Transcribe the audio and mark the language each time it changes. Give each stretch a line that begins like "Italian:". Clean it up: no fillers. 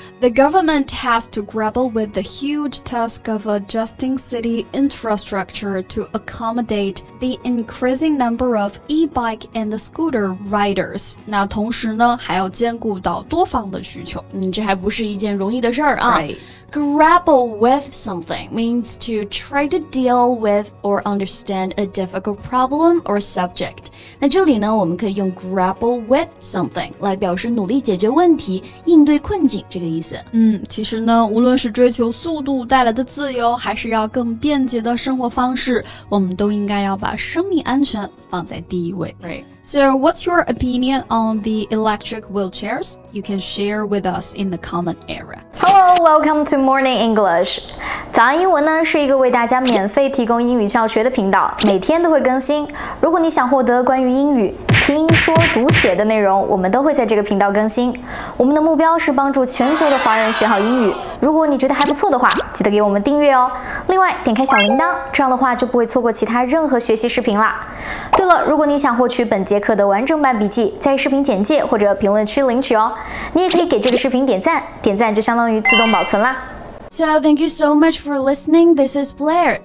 English: The government has to grapple with the huge task of adjusting city infrastructure to accommodate the increasing number of e-bike and scooter riders.
Chinese: 那同时呢还要兼顾到多方的需求。这还不是一件容易的事儿啊。
English: Right. Grapple with something means to try to deal with or understand a difficult problem or subject.
Chinese: 那这里呢我们可以用 grapple with something 来表示努力解决问题，应对困境这个意思。其实呢无论是追求速度带来的自由，还是要更便捷的生活方式，我们都应该要把生命安全放在第一位。
English: Right. So what's your opinion on the electric wheelchairs? You can share with us in the comment area. Hello, welcome to Morning English.
Chinese: 早安英文呢是一个为大家免费提供英语教学的频道，每天都会更新。如果你想获得关于英语听说读写的内容，我们都会在这个频道更新。我们的目标是帮助全球的华人学好英语。如果你觉得还不错的话，记得给我们订阅哦。另外点开小铃铛，这样的话就不会错过其他任何学习视频啦。对了，如果你想获取本节课的完整版笔记，在视频简介或者评论区领取哦。你也可以给这个视频点赞，点赞就相当于自动保存啦。
English: So thank you so much for listening. This is Blair.